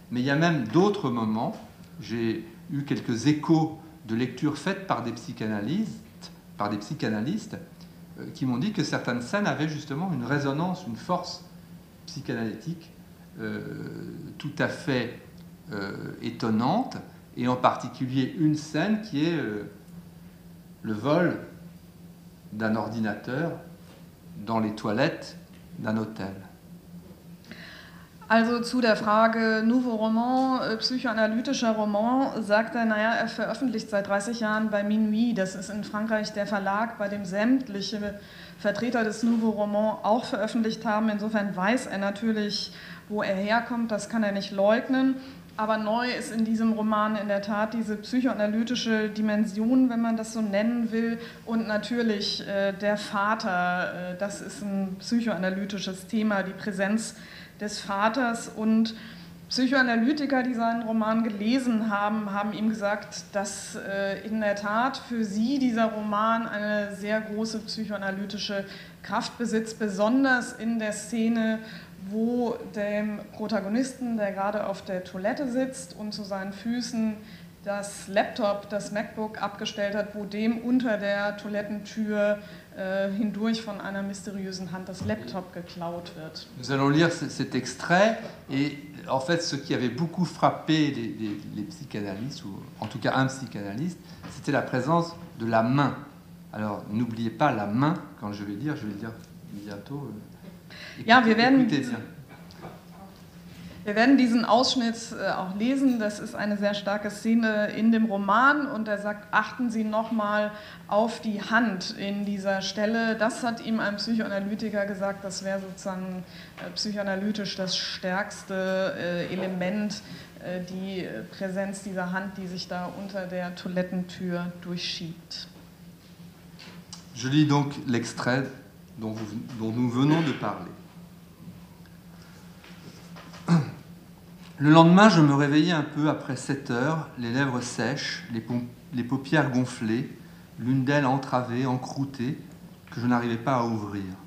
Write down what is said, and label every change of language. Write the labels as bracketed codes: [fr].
[fr] Mais il y a même d'autres moments, j'ai eu quelques échos de lectures faites par des psychanalystes, qui m'ont dit que certaines scènes avaient justement une résonance, une force psychanalytique tout à fait étonnante, et en particulier une scène qui est le vol d'un ordinateur dans les toilettes d'un hôtel. [de] Also zu der Frage Nouveau Roman, psychoanalytischer Roman, sagt er, er veröffentlicht seit 30 Jahren bei Minuit. Das ist in Frankreich der Verlag, bei dem sämtliche Vertreter des Nouveau Roman auch veröffentlicht haben. Insofern weiß er natürlich, wo er herkommt, das kann er nicht leugnen. Aber neu ist in diesem Roman in der Tat diese psychoanalytische Dimension, wenn man das so nennen will. Und natürlich der Vater, das ist ein psychoanalytisches Thema, die Präsenz des Vaters. Und Psychoanalytiker, die seinen Roman gelesen haben, haben ihm gesagt, dass in der Tat für sie dieser Roman eine sehr große psychoanalytische Kraft besitzt, besonders in der Szene, wo dem Protagonisten, der gerade auf der Toilette sitzt und zu seinen Füßen das Laptop, das MacBook abgestellt hat, wo dem unter der Toilettentür hindurch von einer mysteriösen Hand das Laptop geklaut wird. [fr] Nous allons lire cet extrait et en fait ce qui avait beaucoup frappé les psychanalystes, ou en tout cas un psychanalyste, c'était la présence de la main. Alors n'oubliez pas la main quand je vais le dire bientôt. [de] Ja, wir werden... Wir werden diesen Ausschnitt auch lesen. Das ist eine sehr starke Szene in dem Roman. Und er sagt, achten Sie nochmal auf die Hand in dieser Stelle. Das hat ihm ein Psychoanalytiker gesagt. Das wäre sozusagen psychoanalytisch das stärkste Element, die Präsenz dieser Hand, die sich da unter der Toilettentür durchschiebt. [fr] Je lis donc l'extrait dont nous venons de parler. Le lendemain, je me réveillais un peu après 7 heures, les lèvres sèches, les paupières gonflées, l'une d'elles entravée, encroûtée, que je n'arrivais pas à ouvrir.